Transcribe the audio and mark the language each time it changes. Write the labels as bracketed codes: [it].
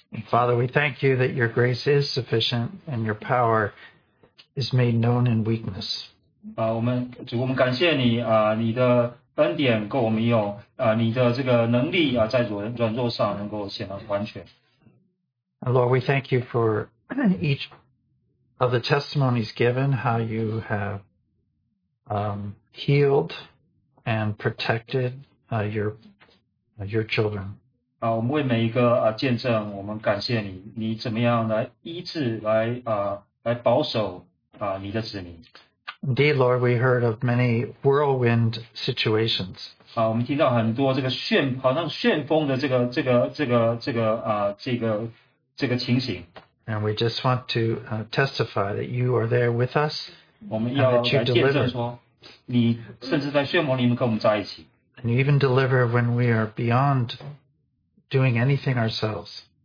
[en] Father, we thank you that your grace is sufficient and your power is made known in weakness. [zh] 我们感谢你你的恩典够我们用你的这个能力在软弱上能够显得完全。 [en] Lord, we thank you for each of the testimonies given, how you have healed and protected your children. [zh] 我们为每一个见证，我们感谢你，你怎么样来医治，来保守你的子民。 [en] Indeed, Lord, we heard of many whirlwind situations. [zh] 我们听到很多这个好像旋风的这个情形。 [en] And we just want to testify that you are there with us and that you deliver. And you even deliver when we are beyond doing anything ourselves.